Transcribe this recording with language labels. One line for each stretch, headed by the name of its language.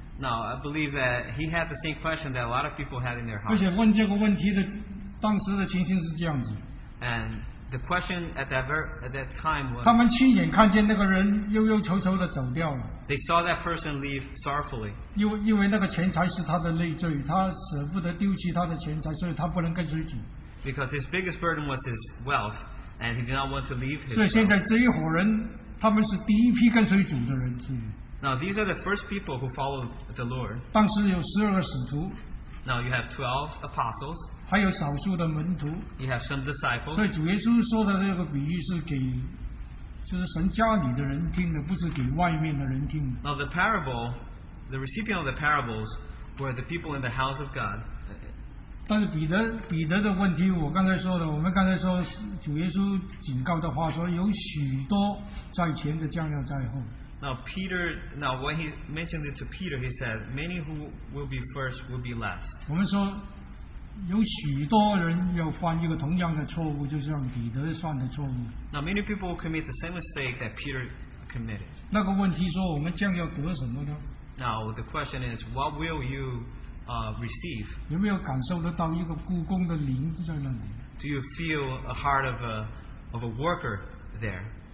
English: Now I believe that he had the same question that a lot of people had in their hearts.
Chinese: 而且问这个问题的当时的情形是这样子。
English: And the question at that time was.
Chinese: 他们亲眼看见那个人悠悠愁愁的走掉了。
English: They saw that person leave sorrowfully.
Chinese: 因为那个钱财是他的累赘，他舍不得丢弃他的钱财，所以他不能跟随主。
English: Because his biggest burden was his wealth, and he did not want to leave his.
Chinese: 所以现在这一伙人，他们是第一批跟随主的人。
English: Now these are the first people who followed the Lord.
Chinese: 当时有十二个使徒。
English: Now you have 12 apostles.
Chinese: 还有少数的门徒,
English: you have some disciples.
Chinese: 所以主耶稣说的这个比喻是给就是神家里的人听的不是给外面的人听的
English: Now the parable, the recipient of the parables were the people in the house of God.
Chinese: 但是彼得的问题我刚才说的我们刚才说主耶稣警告的话说有许多在前的将要在后
English: Now Peter, now when he mentioned it to Peter, he said, many who will be first will be last.
Chinese: 我们说, 有许多人要犯一个同样的错误, 就像彼得犯的错误。
English: Now many people will commit the same mistake that Peter committed.
Chinese: 那个问题说我们将要得什么呢?
English: Now the question is, what will you receive?
Chinese: 有没有感受得到一个故宫的灵在那里?
English: Do you feel a heart of a worker there?